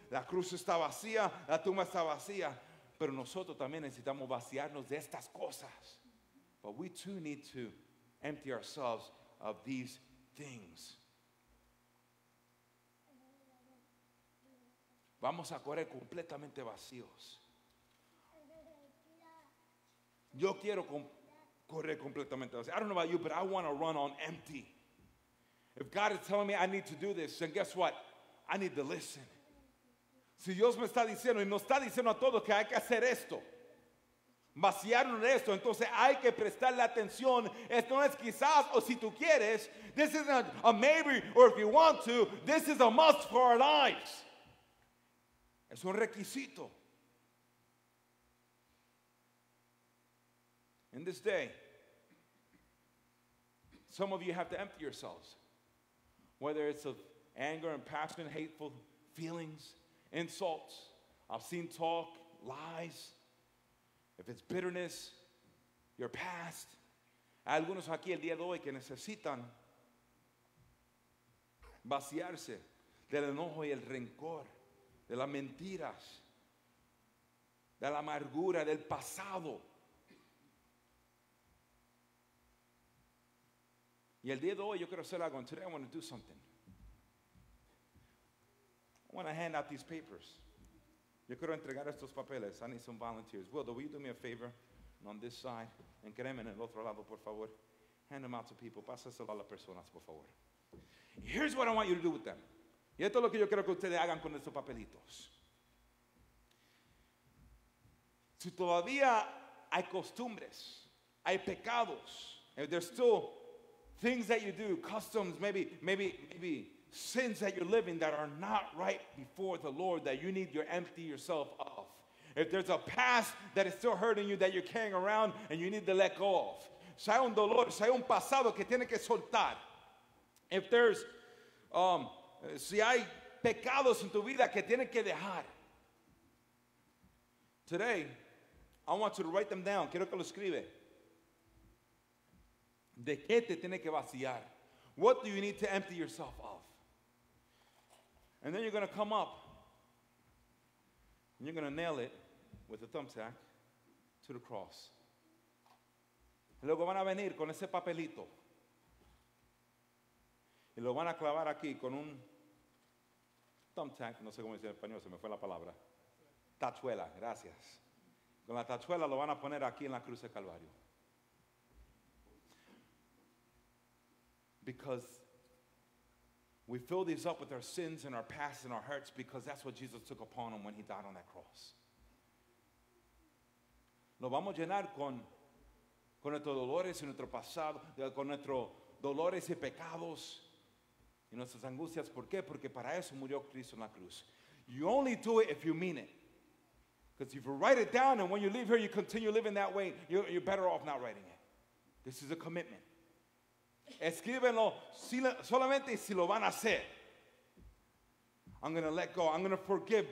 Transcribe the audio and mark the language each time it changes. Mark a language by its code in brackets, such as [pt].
[es] La cruz está vacía, la tumba está vacía. Pero nosotros también necesitamos vaciarnos de estas cosas. [en] But we too need to empty ourselves of these things. [es] Vamos a correr completamente vacíos. Yo quiero correr completamente vacíos. [en] I don't know about you, but I want to run on empty. If God is telling me I need to do this, then guess what? I need to listen. [es] Si Dios me está diciendo, y nos está diciendo a todos que hay que hacer esto, vaciarnos de esto, entonces hay que prestarle atención. Esto no es quizás, o si tú quieres. [en] This isn't a maybe, or if you want to. This is a must for our lives. [es] Es un requisito. [en] In this day, some of you have to empty yourselves. Whether it's of anger and passion, hateful feelings, insults, obscene talk, lies. If it's bitterness, your past. [es] Hay algunos aquí el día de hoy que necesitan vaciarse del enojo y el rencor. De las mentiras, de la amargura, del pasado. Y el día de hoy yo quiero hacer algo. [en] Today I want to do something. I want to hand out these papers. [es] Yo quiero entregar estos papeles. [en] I need some volunteers. Will, will you do me a favor on this side? And [es] créeme en el otro lado, por favor. [en] Hand them out to people. [es] Pásaselo a las personas, por favor. [en] Here's what I want you to do with them. [es] Y esto es lo que yo quiero que ustedes hagan con estos papelitos. Si todavía hay costumbres, hay pecados, [en] if there's still things that you do, customs, maybe sins that you're living that are not right before the Lord that you need to empty yourself of. If there's a past that is still hurting you that you're carrying around and you need to let go of. [es] Si hay un dolor, si hay un pasado que tiene que soltar. [en] If there's [es] si hay pecados en tu vida que tienes que dejar. [en] Today, I want you to write them down. [es] Quiero que lo escribe. ¿De qué te tienes que vaciar? [en] What do you need to empty yourself of? And then you're going to come up. And you're going to nail it with a thumbtack to the cross. [es] Y luego van a venir con ese papelito. Y lo van a clavar aquí con un thumbtack, no sé cómo decir en español, se me fue la palabra. Tachuela, gracias. Con la tachuela lo van a poner aquí en la cruz de Calvario. [en] Because we fill these up with our sins and our past and our hurts because that's what Jesus took upon him when he died on that cross. [es] Lo vamos a llenar con nuestros dolores y nuestro pasado, con nuestros dolores y pecados. Y nuestras angustias, ¿por qué? Porque para eso murió Cristo en la cruz. [en] You only do it if you mean it. Because if you write it down and when you leave here you continue living that way, you're better off not writing it. This is a commitment. [es] Escríbenlo solamente si lo van a hacer. [en] I'm going to let go. I'm going to forgive.